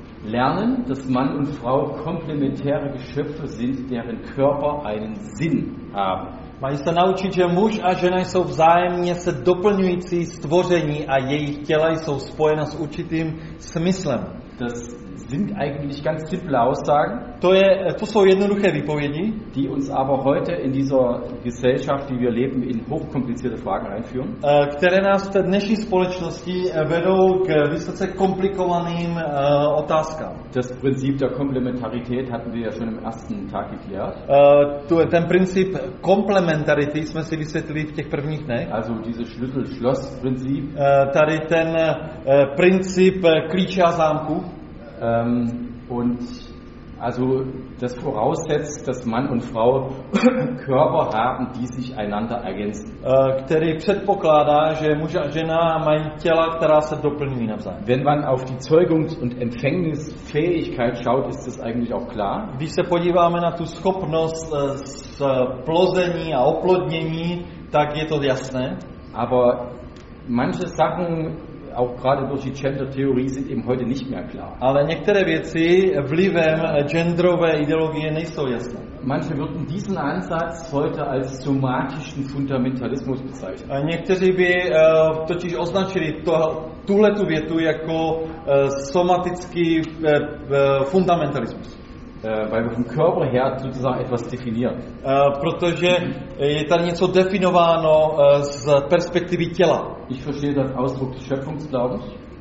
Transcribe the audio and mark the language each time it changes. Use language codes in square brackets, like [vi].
[de] lernen, dass Mann und Frau komplementäre Geschöpfe sind, deren Körper einen Sinn haben. [cs] Mají se naučit, že muž a žena jsou vzájemně se doplňující stvoření a jejich těla jsou spojena s určitým smyslem. [de] Das sind eigentlich ganz simple Aussagen. [cs] To jsou jednoduché výpovědi, [de] die uns aber heute in dieser Gesellschaft, die wir leben, in hochkomplizierte Fragen einführen. [cs] Které nás v té dnešní společnosti vedou k vysoce komplikovaným otázkám. [de] Das Prinzip der Komplementarität hatten wir ja schon im ersten Tag geklärt. [cs] Ten princip komplementarity jsme si vysvětlili v těch prvních dnech. [de] Also dieses Schlüssel-Schloss-Prinzip. [cs] Tady ten princip klíče a zámku. [de] Und also das voraussetzt, dass Mann und Frau Körper haben, die sich einander ergänzen. [cs] Který předpokládá, že muž a žena mají těla, která se doplňují navzájem. [de] Wenn man auf die Zeugungs- und Empfängnisfähigkeit schaut, ist das eigentlich auch klar. [cs] Když se podíváme na tu schopnost z plození a oplodnění, tak je to jasné. [de] Aber manche Sachen auch gerade durch die Gender-Theorie sind eben heute nicht mehr klar. [cs] Ale některé věci vlivem genderové ideologie nejsou jasné. [de] Manche würden diesen Ansatz heute als somatischen Fundamentalismus bezeichnen. [cs] A někteří by totiž označili tuhletu větu jako somatický fundamentalismus. [de] Weil wir vom Körper her sozusagen etwas definieren. [cs] Protože je tady něco definováno z perspektivy těla. [de] Ich verstehe den Ausdruck des Schöpfungsglaubens.